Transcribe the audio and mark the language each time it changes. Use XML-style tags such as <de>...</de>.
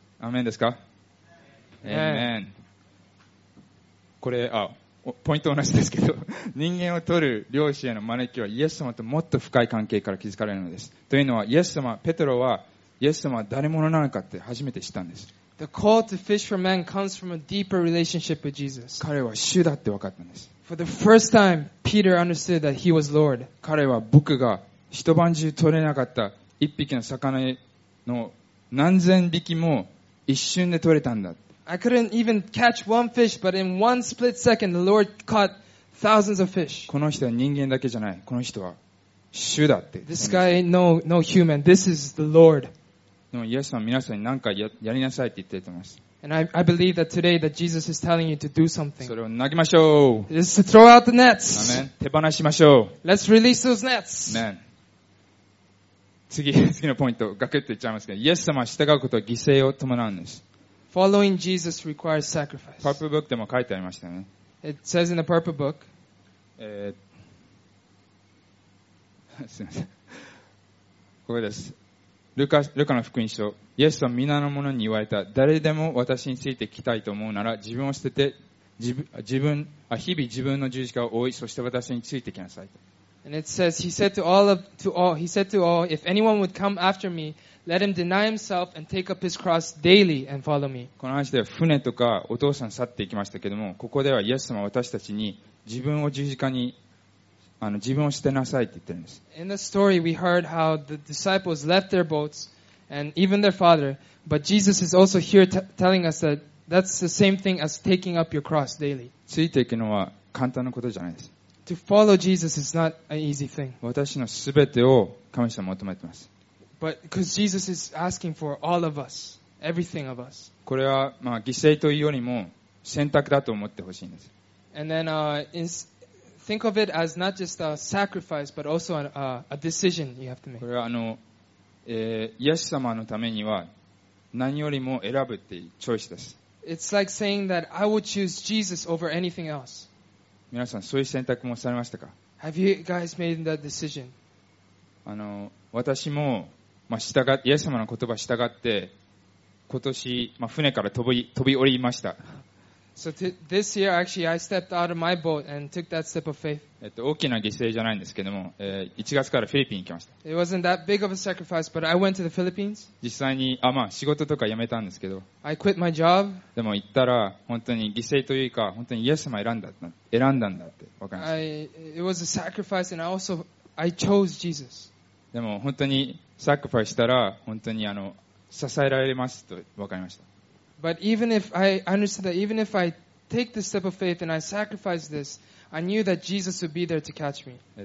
<ja>アメンですか？Amen. これ、あ、ポイント同じですけど、人間を取る漁師への招きはイエス様ともっと深い関係から築かれるのです。というのは、イエス様、ペトロは、イエス様は誰者なのかって初めて知ったんです。</ja> <en>The call to fish for men comes from a deeper relationship with Jesus.</en> <ja>彼は主だって分かったんです。</ja> <en>For the first time, Peter understood that he was Lord.</en> <ja>彼は僕が一晩中取れなかった一匹の魚の何千匹も一瞬で取れたんだ。</ja> <en>I couldn't even catch one fish, but in one split second, the Lord caught thousands of fish.</en> <ja>この人は人間だけじゃない。この人は主だって。</ja> <en>This guy ain't no human. This is the Lord.</en> <ja>でもイエス様は皆さんに何か やりなさいって言ってます。</ja> <en>And I believe that today that Jesus is telling you to do something.</en> <ja>それを投げましょう。</ja> <en>Let's throw out the nets.</en> <ja>アメン。手放しましょう。</ja> <en>Let's release those nets.</en> <ja>アメン。次のポイント、ガクッと言っちゃいますけど、イエス様は従うことは犠牲を伴うんです。</ja> <en>Following Jesus requires sacrifice.</en> <ja>Purple Book でも書いてありましたね。</ja> <en>It says in the Purple Book.</en> <ja>すいません。ここです。ルカの福音書、イエスは皆の者に言われた、誰でも私について来たいと思うなら、自分を捨てて、日々自分の十字架を追い、そして私についてきなさいと。</ja> <en>And it says, he said to all, if anyone would come after me, let him deny himself and take up his cross daily and follow me.</en> <ja>この話では船とかお父さん去っていきましたけども、ここではイエス様は私たちに自分を十字架に自分を捨てなさいって言ってるんです。</ja> <en>In the story, we heard how the disciples left their boats and even their father, but Jesus is also here telling us that that's the same thing as taking up your cross daily.</en> <ja>ついていくのは簡単なことじゃないです。</ja> <en>To follow Jesus is not an easy thing.</en> <ja>私のすべてを神様求めてます。</ja> <en>But because Jesus is asking for all of us, everything of us.</en> <ja>これはまあ犠牲というよりも選択だと思ってほしいんです。</ja> <en>And then, think of it as not just a sacrifice, but also a decision you have to make.</en> <ja>これはイエス様のためには何よりも選ぶっていうチョイスです。</ja> <en>It's like saying that I would choose Jesus over anything else.</en> <ja>皆さん、そういう選択もされましたか？</ja> <en>Have you guys made that decision?</en> <ja>私も、まあ、イエス様の言葉従って今年、まあ、船から飛び降りました。</ja> <en>So this year, actually, I stepped out of my boat and took that step of faith.</en> <ja>大きな犠牲じゃないんですけども、1月からフィリピンに行きました。</ja> <en>It wasn't that big of a sacrifice, but I went to the Philippines.</en> <ja>実際に、まあ、仕事とか辞めたんですけど。</ja> <en>I quit my job.</en> <ja>でも行ったら、本当に犠牲というか、本当にイエス様選んだんだって分かりました。</ja> <en>It was a sacrifice and I chose Jesus.</en> <ja>でも本当にサクファイスしたら、本当に支えられますと分かりました。</ja> <en>But even if I understood that, even if I take the step of faith and I sacrifice this, I knew that Jesus would be there to catch me.</en>